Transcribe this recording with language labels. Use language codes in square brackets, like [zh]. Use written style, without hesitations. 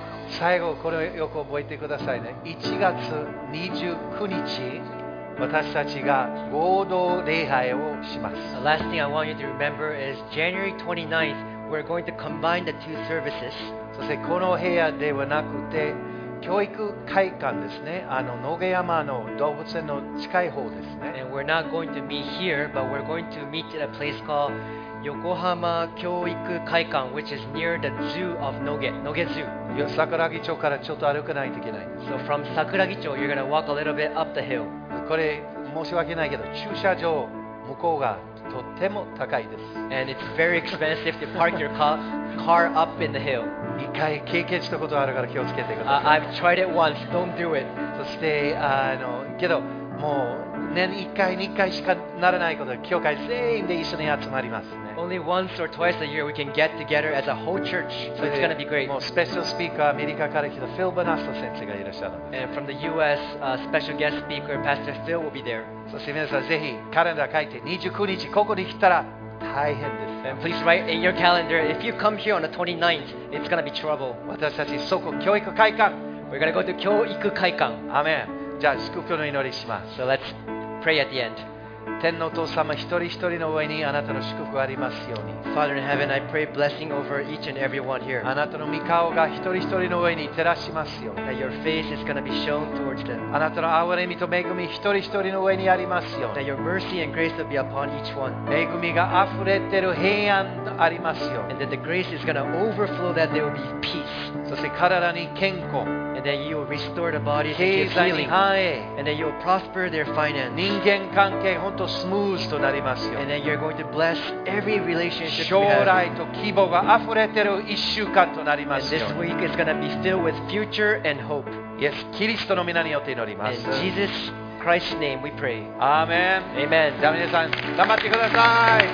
[ja] 最後これをよく覚えてくださいね。1月29日私たちが合同礼拝をします。 [en] The last thing I want you to remember is January 29th we're going to combine the two services。 [ja] そしてこの部屋ではなくて教育会館ですね、あの野毛山の動物園の近い方ですね。 [en] And we're not going to meet here but we're going to meet at a place called横浜教育会館 which is near the zoo of Noge, Noge Zoo. [ja] 桜木町からちょっと歩かないといけない。 [en] So from 桜木町 you're going to walk a little bit up the hill. [ja] これ申し訳ないけど駐車場向こうがとっても高いです。 [en] And it's very expensive to park your car up in the hill. [ja] 一回経験したことあるから気をつけてください。 [en] I've tried it once, don't do it. [ja] そしてあのけどもう年1回2回しかならないことで教会全員で一緒に集まります、ね、 [en] Only once or twice a year we can get together as a whole church so it's going to be great. [ja] もうスペシャルスピーカーアメリカから来たフィル・バナスト先生がいらっしゃる。 [en] And from the US special guest speaker Pastor Phil will be there. [ja] そして皆さんぜひカレンダー書いて29日ここに来たら大変です。 [en] And please write in your calendar if you come here on the 29th it's going to be trouble. [ja] 私たちそこ教育会館 [en] We're going to go to 教育会館。 Amen。 [ja] じゃあ祝福の祈りします。 [en] So let's pray at the end. [ja] 天のお父様、一人一人の上にあなたの祝福ありますように。 [en] Father in heaven, I pray blessing over each and every one here. [ja] あなたの御顔が一人一人の上に照らしますように。 [en] That your face is going to be shown towards them. [ja] あなたの憐れみと恵み一人一人の上にありますように。 [en] That your mercy and grace will be upon each one. [ja] 恵みが溢れてる平安ありますように。 [en] And that the grace is going to overflow that there will be peace. [ja] そして体に健康。 [en] And that you will restore the body to give healing. And that you will prosper their finance. [ja] 人間関係本当スムーズとなりますよ。 [en] And that you're going to bless every relationship. [ja] 将来と希望が溢れてる一週間となりますよ。 [en] And this week is going to be filled with future and hope. [ja] Yes, キリストの皆によって祈ります。 [en] In Jesus Christ's name we pray. Amen. Amen. [ja] じゃあ皆さん、頑張ってください。